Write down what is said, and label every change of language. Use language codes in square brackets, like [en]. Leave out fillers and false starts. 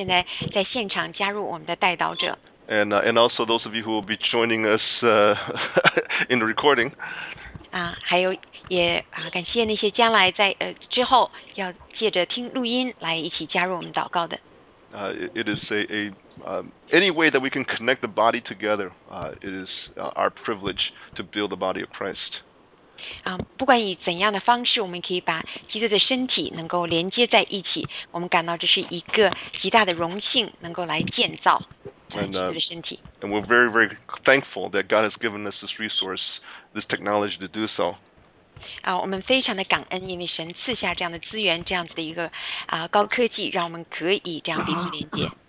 [zh] 我希望来感谢所有现在在现场加入我们的代祷者。 [en] And also those of you who will be joining us in the recording. [zh] 还有也感谢那些将来在之后要借着听录音来一起加入我们祷告的。 [en] It is any way that we can connect the body together. It is our privilege to build the body of Christ. [zh] 不管以怎样的方式，我们可以把基督的身体能够连接在一起。我们感到这是一个极大的荣幸，能够来建造。 [en] And we're very, very thankful that God has given us this resource, this technology to do so. [zh] 我们非常的感恩，因为神赐下这样的资源，这样子的一个高科技，让我们可以这样彼此连接。